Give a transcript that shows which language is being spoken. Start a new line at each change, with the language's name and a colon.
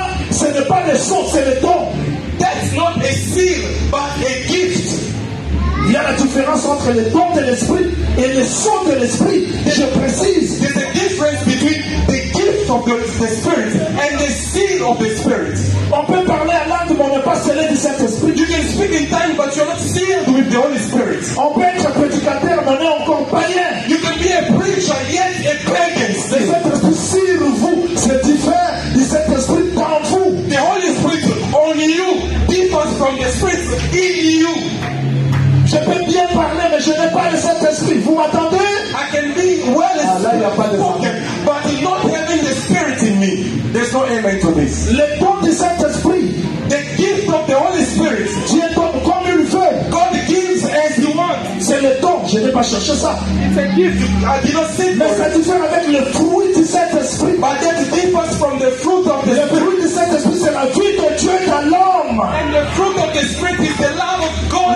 French: Ce n'est pas le sceau, c'est le don.
English: That's not a seal, but a gift.
French: Il y a la différence entre le don de l'esprit et le sceau de l'esprit. Je précise.
English: There's a difference between the gift of the Spirit and the seal of the Spirit.
French: On peut parler à langue, mais on n'est pas scellé du Saint-Esprit.
English: You can speak in tongues, but you're not sealed with the Holy Spirit.
French: On peut être prédicateur, mais on est encore païen.
English: You can be a preacher, yet a pagan.
French: Le Saint-Esprit sur vous, c'est différent du Saint-Esprit.
English: The Holy Spirit on you differs from the Spirit in you.
French: Je peux bien parler, mais je n'ai pas le Saint-Esprit. Vous m'attendez?
English: I can be well spoken, but not having the Spirit in me. There's no amen to this.
French: Le don du Saint-Esprit.
English: The gift of the Holy Spirit.
French: Dieu donne comme il veut.
English: God gives as you want.
French: C'est le don. Je n'ai pas cherché ça.
English: It's a gift. I did not seek.
French: Mais c'est différent avec le fruit du Saint-Esprit.
English: But that differs from the fruit of the
French: Spirit. La vie de Dieu est à l'homme.
English: And the fruit of the Spirit is the love of God.